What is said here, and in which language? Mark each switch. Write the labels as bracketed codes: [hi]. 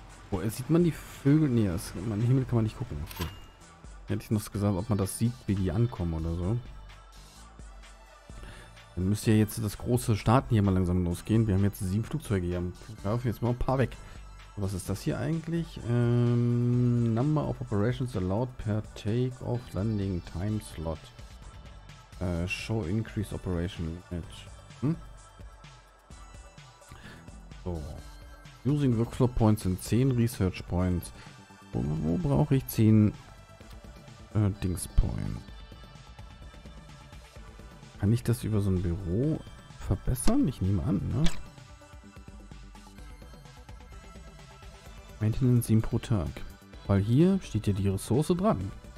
[de] Boah, jetzt sieht man die Vögel, nee, das, man, den Himmel kann man nicht gucken. Okay. Hätte ich noch gesagt, ob man das sieht, wie die ankommen oder so. Dann müsste ja jetzt das große Starten hier mal langsam losgehen. Wir haben jetzt 7 Flugzeuge hier am Flughafen. Jetzt mal ein paar weg. Was ist das hier eigentlich? [en] Number of operations allowed per take-off landing time slot. Show increase operation limit. So. Using workflow points and 10 research points. [de] Wo brauche ich 10 Dings points? Kann ich das über so ein Büro verbessern? Ich nehme an, ne? Maintenance 7 pro Tag. Weil hier steht ja die Ressource dran.